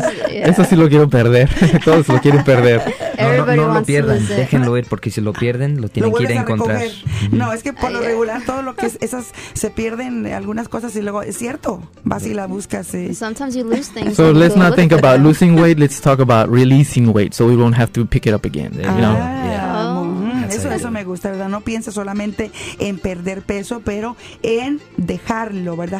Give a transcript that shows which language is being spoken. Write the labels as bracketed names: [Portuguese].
[Spanish] Eso sí lo quiero perder, todos lo quieren perder. No lo pierdan, déjenlo ir, porque si lo pierden, lo tienen que ir a encontrar. No, es que por lo regular, todo lo que es, esas se pierden algunas cosas y luego, es cierto, vas y la buscas. Sí. [English] Sometimes you lose things. So let's not think about losing weight, let's talk about releasing weight, so we won't have to pick it up again, you know? [Spanish] Eso me gusta, ¿verdad? No piense solamente en perder peso, pero en dejarlo, ¿verdad?